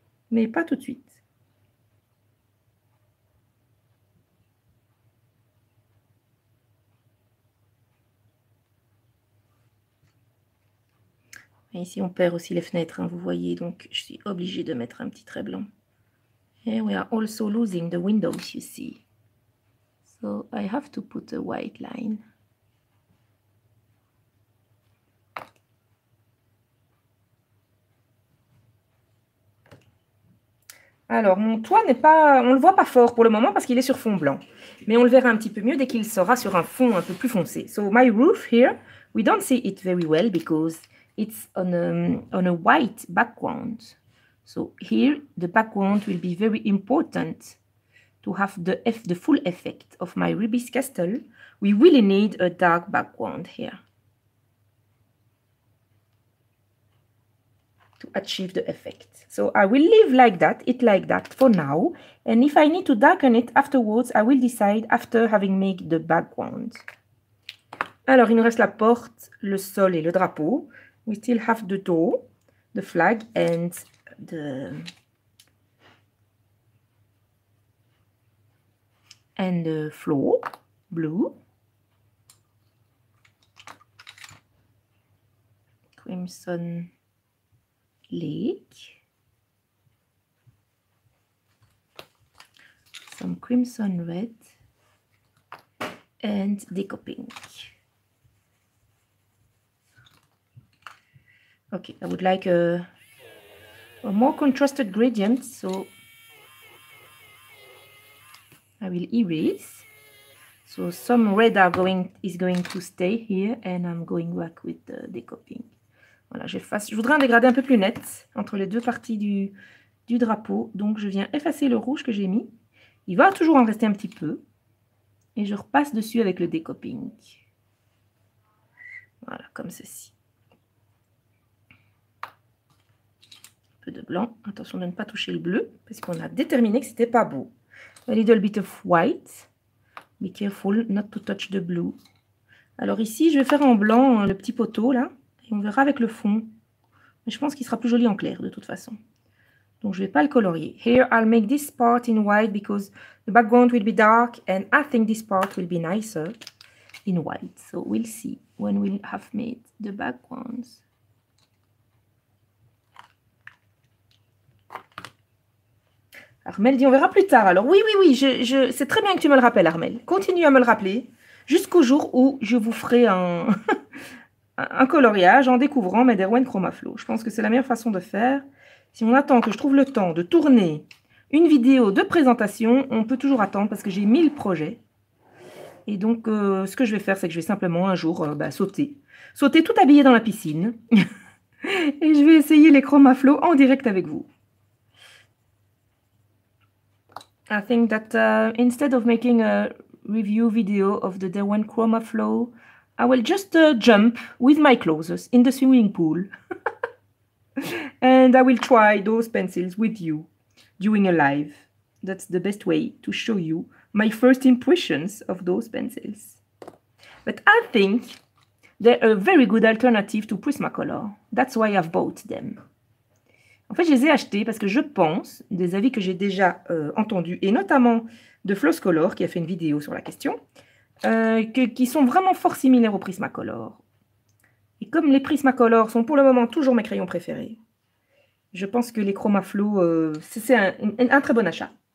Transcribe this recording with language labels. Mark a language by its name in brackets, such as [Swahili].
[French] Mais pas tout de suite. Oh Et ici, on perd aussi les fenêtres, hein, vous voyez. Donc, je suis obligée de mettre un petit trait blanc. [English] Here we are also losing the windows, you see. So, I have to put a white line. [French] Alors, mon toit n'est pas... On ne le voit pas fort pour le moment parce qu'il est sur fond blanc. Mais on le verra un petit peu mieux dès qu'il sera sur un fond un peu plus foncé. [English] So, my roof here, we don't see it very well because it's on a white background. So, here, the background will be very important to have the full effect of my Ruby's Castle. We really need a dark background here to achieve the effect. So I will leave like that, it like that for now. And if I need to darken it afterwards, I will decide after having made the background. [French] Alors, il nous reste la porte, le sol et le drapeau. [English] We still have the door, the flag and the floor, blue. Crimson lake. Some crimson red and deco pink. Okay, I would like a more contrasted gradient, so I will erase. So some red is going to stay here and I'm going back with the deco pink. [French] Voilà, j'efface. Je voudrais un dégradé un peu plus net entre les deux parties du drapeau, donc je viens effacer le rouge que j'ai mis. Il va toujours en rester un petit peu. Et je repasse dessus avec le déco pink. Voilà, comme ceci. Un peu de blanc. Attention de ne pas toucher le bleu, parce qu'on a déterminé que ce n'était pas beau. [English] A little bit of white. Be careful not to touch the blue. [French] Alors ici, je vais faire en blanc le petit poteau, là. Et on verra avec le fond. Mais je pense qu'il sera plus joli en clair, de toute façon. Donc, je ne vais pas le colorier. [English] Here, I'll make this part in white because the background will be dark and I think this part will be nicer in white. So, we'll see when we have made the backgrounds. [French] Armel dit, on verra plus tard. Alors, oui, c'est très bien que tu me le rappelles, Armel. Continue à me le rappeler jusqu'au jour où je vous ferai un coloriage en découvrant mes Derwent Chromaflow. Je pense que c'est la meilleure façon de faire. Si on attend que je trouve le temps de tourner une vidéo de présentation, on peut toujours attendre parce que j'ai 1000 projets. Et donc, ce que je vais faire, c'est que je vais simplement un jour sauter. Sauter tout habillé dans la piscine. Et je vais essayer les Chromaflow en direct avec vous. [English] I think that instead of making a review video of the Derwent Chromaflow, I will just jump with my clothes in the swimming pool. And I will try those pencils with you during a live. That's the best way to show you my first impressions of those pencils. But I think they're a very good alternative to Prismacolor. That's why I've bought them. [French] En fait, je les ai achetés parce que je pense, des avis que j'ai déjà entendus, et notamment de Flosscolor qui a fait une vidéo sur la question, qui sont vraiment fort similaires au Prismacolor. Et comme les Prismacolor sont pour le moment toujours mes crayons préférés, je pense que les Chromaflow, c'est un très bon achat.